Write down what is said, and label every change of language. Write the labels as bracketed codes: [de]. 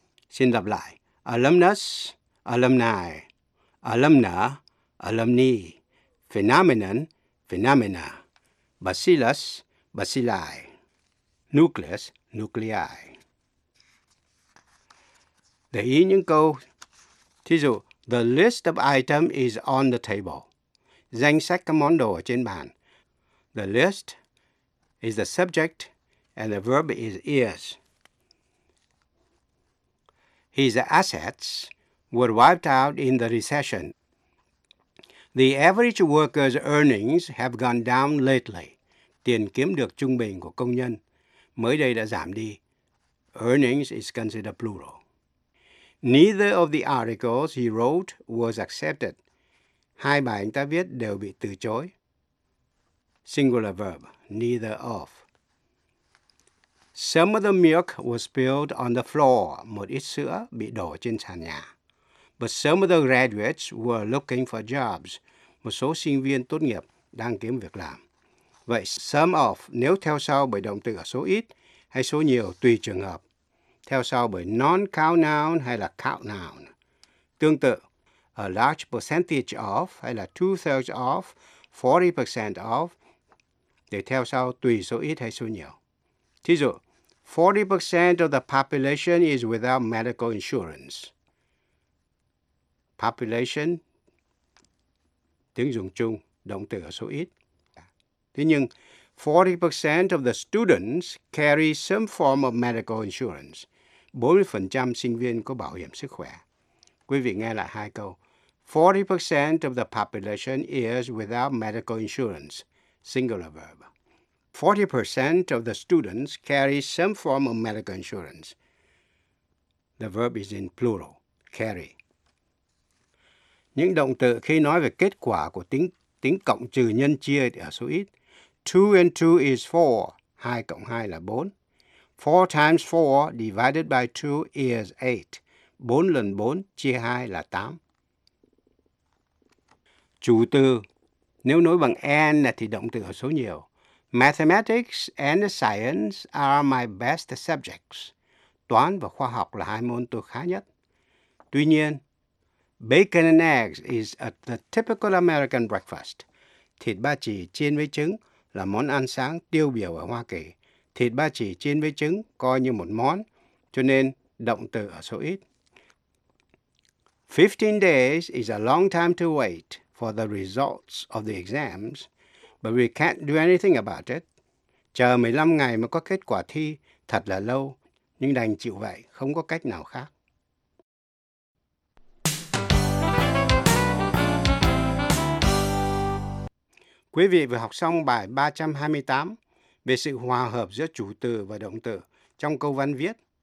[vi] Xin lặp lại. [en] Alumnus, alumni, alumna, alumni, phenomenon, phenomena, bacillus, bacilli, nucleus, nuclei. [vi] Để ý những câu, thí dụ, [en] the list of items is on the table. [vi] Danh sách các món đồ ở trên bàn. [en] The list is the subject, and the verb is is. His assets were wiped out in the recession. The average worker's earnings have gone down lately. [vi] Tiền kiếm được trung bình của công nhân mới đây đã giảm đi. [en] Earnings is considered plural. Neither of the articles he wrote was accepted. [vi] Hai bài anh ta viết đều bị từ chối. [en] Singular verb, neither of. Some of the milk was spilled on the floor. [vi] Một ít sữa bị đổ trên sàn nhà. [en] But some of the graduates were looking for jobs. [vi] Một số sinh viên tốt nghiệp đang kiếm việc làm. Vậy some of, nếu theo sau bởi động từ ở số ít hay số nhiều tùy trường hợp. Theo sau bởi non-count noun hay là count noun. Tương tự, [en] a large percentage of [vi] hay là two-thirds of, 40% of, để theo sau tùy số ít hay số nhiều. Thí dụ, [en] 40% of the population is without medical insurance. [vi] Population, tiếng dùng chung, động từ ở số ít. Thế nhưng [en] 40% of the students carry some form of medical insurance. [vi] 40% sinh viên có bảo hiểm sức khỏe. Quý vị nghe lại hai câu. [en] 40% of the population is without medical insurance. Singular verb. 40% of the students carry some form of medical insurance. The verb is in plural. Carry. [vi] Những động từ khi nói về kết quả của tính cộng trừ nhân chia ở số ít. [en] 2 and 2 is 4. [vi] 2 cộng 2 là 4. [en] 4 times 4 divided by 2 is 8. [vi] 4 lần 4 chia 2 là 8. Chủ từ. Nếu nối bằng and thì động từ ở số nhiều. [en] Mathematics and science are my best subjects. [vi] Toán và khoa học là hai môn tôi khá nhất. Tuy nhiên, [en] bacon and eggs is the typical American breakfast. [vi] Thịt ba chỉ chiên với trứng là món ăn sáng tiêu biểu ở Hoa Kỳ. Thịt ba chỉ chiên với trứng coi như một món, cho nên động từ ở số ít. [en] 15 days is a long time to wait for the results of the exams, but we can't do anything about it. [vi] Chờ 15 ngày mới có kết quả thi thật là lâu, nhưng đành chịu vậy, không có cách nào khác. Quý vị vừa học xong bài 328 về sự hòa hợp giữa chủ từ và động từ trong câu văn viết.